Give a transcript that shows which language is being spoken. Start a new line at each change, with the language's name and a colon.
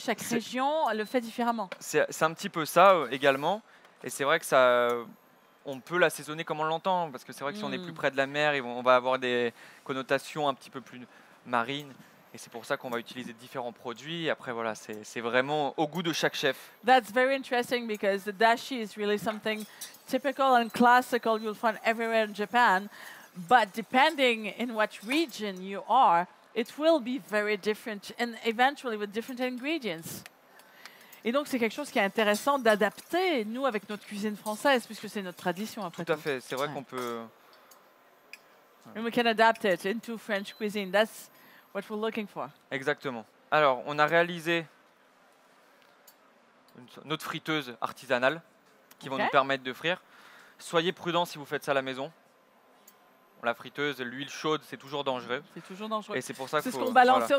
French: Chaque région le fait différemment. C'est un petit peu ça également. Et c'est vrai que ça, on peut l'assaisonner comme on l'entend. Parce que c'est vrai que si on est plus près de la mer, on va avoir des connotations un petit peu plus marines. Et c'est pour ça qu'on va utiliser différents produits. Et après, voilà, c'est vraiment au goût de chaque chef.
English: That's very interesting because the dashi is really something typical and classical you'll find everywhere in Japan. But depending in what region you are, it will be very different and eventually with different ingredients.
French: Et donc, c'est quelque chose qui est intéressant d'adapter, nous, avec notre cuisine française, puisque c'est notre tradition, après tout. Tout à fait. C'est vrai qu'on peut...
English: And we can adapt it into French cuisine. That's what we're looking for.
French: Exactement. Alors, on a réalisé notre friteuse artisanale qui va nous permettre de frire. Soyez prudents si vous faites ça à la maison. la friteuse, l'huile chaude, c'est toujours dangereux. C'est toujours dangereux. Et c'est pour ça c'est ce qu'on balançait voilà.